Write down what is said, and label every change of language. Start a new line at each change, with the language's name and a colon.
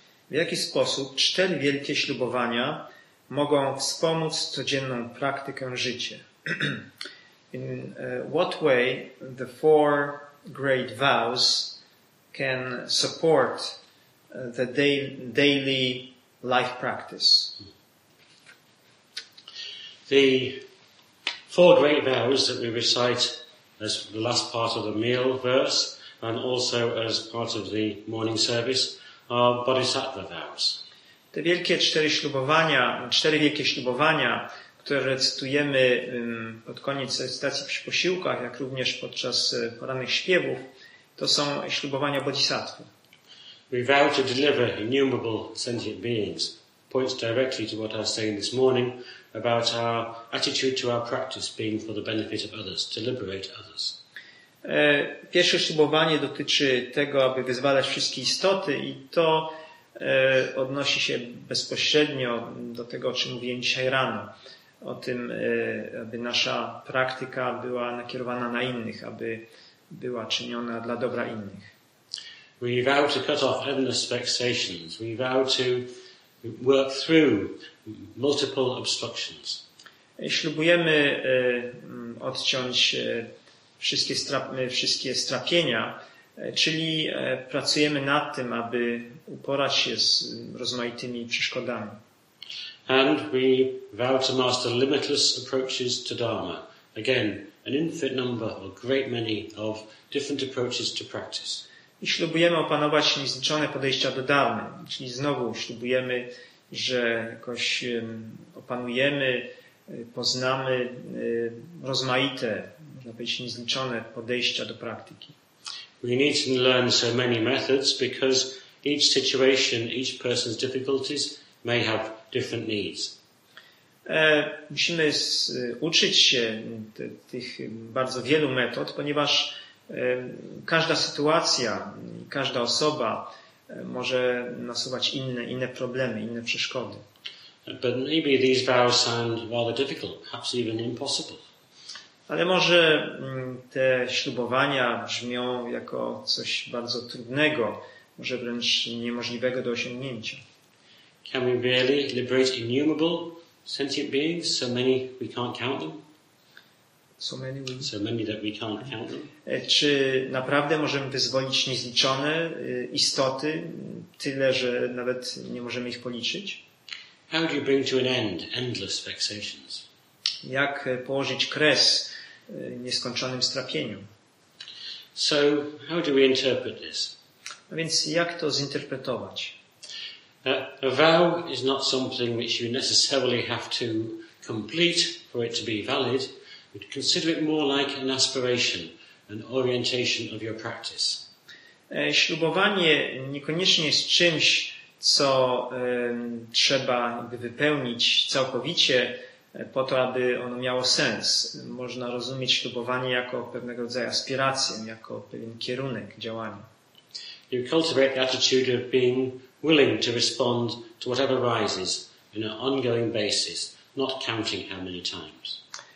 Polish: W jaki sposób cztery wielkie ślubowania mogą wspomóc codzienną praktykę życia?
English: In what way the four great vows can support the daily life practice? The four great vows that we recite as the last part of the meal verse and also as part of the morning service are bodhisattva vows.
Polish: Te wielkie cztery wielkie ślubowania, które recytujemy pod koniec recytacji przy posiłkach, jak również podczas porannych śpiewów, to są ślubowania bodhisattwy.
English: We vow to deliver innumerable sentient beings. Points directly to what I was saying this morning about our attitude to our practice being for the benefit of others, to liberate others.
Polish: Pierwsze ślubowanie dotyczy tego, aby wyzwalać wszystkie istoty i to odnosi się bezpośrednio do tego, o czym mówiłem dzisiaj rano. O tym, aby nasza praktyka była nakierowana na innych, aby była czyniona dla dobra innych.
English: We vow to cut off endless vexations. We vow to work through multiple obstructions.
Polish: Ślubujemy odciąć wszystkie strapienia, czyli pracujemy nad tym, aby uporać się z rozmaitymi przeszkodami.
English: And we vow to master limitless approaches to Dharma. Again, an infinite number, or great many, of different approaches to practice.
Polish: I ślubujemy opanować niezliczone podejścia do Dharmy. Czyli znowu ślubujemy, że jakoś opanujemy, poznamy rozmaite, można powiedzieć niezliczone podejścia do praktyki.
English: We need to learn so many methods because each situation, each person's difficulties may have different needs.
Polish: Musimy uczyć się tych bardzo wielu metod, ponieważ każda sytuacja, każda osoba może nasuwać inne problemy, inne przeszkody.
English: But maybe these vows sound rather difficult, perhaps even impossible.
Polish: Ale może te ślubowania brzmią jako coś bardzo trudnego, może wręcz niemożliwego do osiągnięcia.
English: Can we really liberate innumerable sentient beings, so many we can't count them? So many, so many that we can't count them.
Polish: Czy naprawdę możemy wyzwolić niezliczone istoty, tyle, że nawet nie możemy ich policzyć?
English: How do you bring to an end endless vexations?
Polish: Jak położyć kres nieskończonym strapieniu?
English: So, how do we interpret this?
Polish: A więc jak to zinterpretować?
English: A vow is not something which you necessarily have to complete for it to be valid. But consider it more like an aspiration, an orientation of your practice.
Polish: Ślubowanie niekoniecznie jest czymś, co trzeba wypełnić całkowicie po to, aby ono miało sens. Można rozumieć ślubowanie jako pewnego rodzaju aspirację, jako pewien kierunek działania.
English: You cultivate the attitude of being willing to respond to whatever rises on an ongoing basis, not counting how many times.